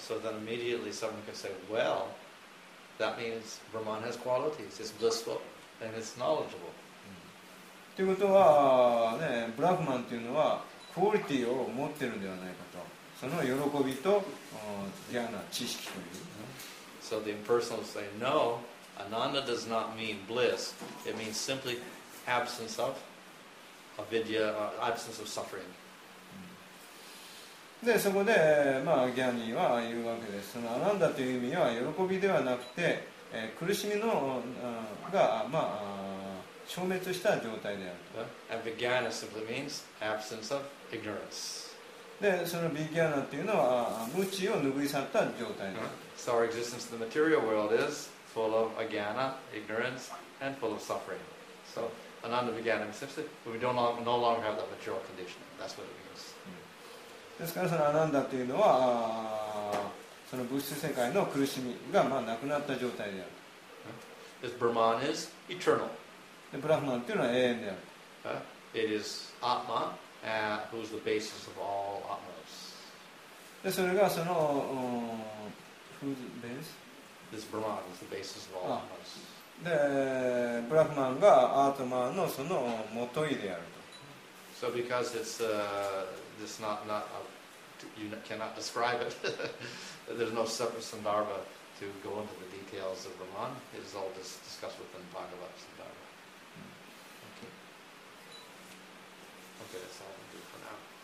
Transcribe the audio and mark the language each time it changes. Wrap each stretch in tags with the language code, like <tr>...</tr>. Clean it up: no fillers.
<en>So then immediately someone can say, well, that means Brahman has qualities. It's blissful and it's knowledgeable.</en> <ja>ということは、ね、ブラフマンというのはクオリティを持っているのではないかと。その喜びと、ギャナ、知識という。</ja> <en>So the impersonal say, no. Ananda does not mean bliss. It means simply absence of avidya, absence of suffering.</en> <ja>で、そこで、まあ、ギャニーは言うわけです。そのアナンダという意味は喜びではなくて、苦しみのが、まあ、消滅した状態であると。</ja> <en>And vijnana simply means absence of ignorance.</en> <ja>で、そのヴィギャーナっていうのは無知を拭い去った状態である。</ja> <en>So our existence in the material world is full of ajnana, ignorance, and full of suffering. So ananda vijnana means we don't no longer have that material condition. That's what it means.</en> <ja>ですからそのアナンダっていうのはその物質世界の苦しみがまあなくなった状態である。</ja> <en>This Brahman is eternal.</en> <ja>で、ブラフマンっていうのは永遠である。</ja> <en>It is Atma, who is the basis of all Atmas.</en> <ja>で、それがその、</ja> <en>who's the base? This Brahman is the basis of all Atmas.</en> <ja>で、ブラフマンがアートマンのその元いであると。</ja> <en>So because it's this not a, you cannot describe it. There's no separate sandarbha to go into the details of Brahman. It is all just discussed within Bhagavata sandarbha. Okay, that's all I can do for now.</en>